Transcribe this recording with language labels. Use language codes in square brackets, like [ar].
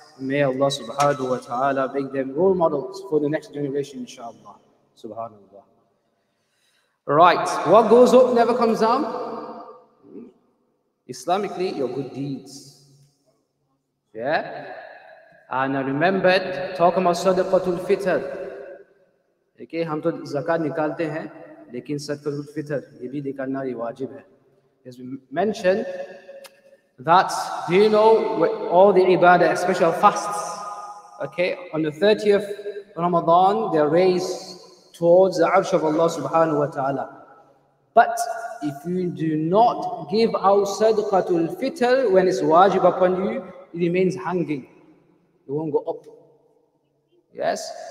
[en] May Allah Subhanahu wa Ta'ala make them role models for the next generation, inshaAllah. SubhanAllah. Right, what goes up never comes down. Islamically, your good deeds. Yeah? And I remembered, talking about Sadaqatul Fitr. [ur] Okay, ہم تو زکات نکالتے ہیں, لیکن صدقۃ الفطر, یہ بھی نکالنا یہ واجب ہے. [en] As we mentioned, that, do you know, all the ibadah, especially fasts, okay, on the 30th Ramadan, they're raised towards the arsh of Allah subhanahu wa ta'ala. But if you do not give out sadaqatul fitr when it's wajib upon you, it remains hanging. It won't go up. Yes?